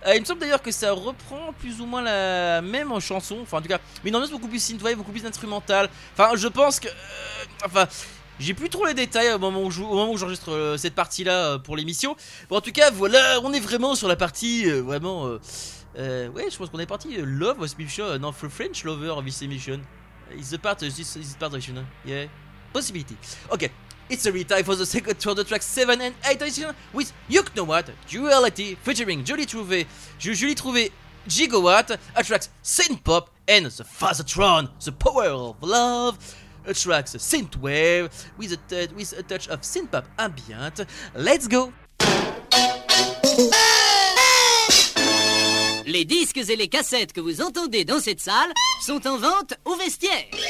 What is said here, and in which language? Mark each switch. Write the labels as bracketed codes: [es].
[fr] Il me semble d'ailleurs que ça reprend plus ou moins la même chanson, enfin en tout cas, mais une ambiance beaucoup plus synthwave, beaucoup plus instrumentale. Enfin, je pense que. J'ai plus trop les détails au moment où j'enregistre cette partie-là pour l'émission. Bon, en tout cas, voilà, on est vraiment sur la partie vraiment. Ouais, je pense qu'on est parti. [en] Love was mission, non, for French lover of this emission. It's the part, it's part of this emission. Yeah. Possibility. Ok. It's a retire for the second tour of the track 7 and 8 of this emission with You Know What, Duality, featuring Julie Trouvé, Gigawatt, a track synthpop and the Phasotron, the power of love. A track synthwave with a touch of synthpop ambient. Let's go! [fr] Les disques et les cassettes que vous entendez dans cette salle sont en vente au vestiaire.